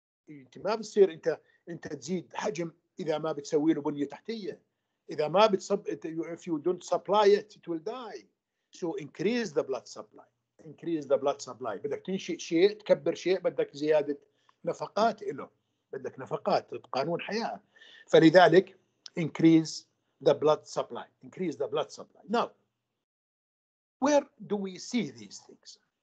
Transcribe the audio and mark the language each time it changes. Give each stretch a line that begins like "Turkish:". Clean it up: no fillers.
Arabic: انت ما بتصير انت تزيد حجم اذا ما بتسوي له بنية تحتية. اذا ما
English: if you don't supply it, it will die. So increase the blood supply.
Arabic: بدك تنشئ شيء تكبر شيء بدك زيادة نفقات له. بدك نفقات قانون حياة. فلذلك
English: increase the blood supply. Now, where do we see these things?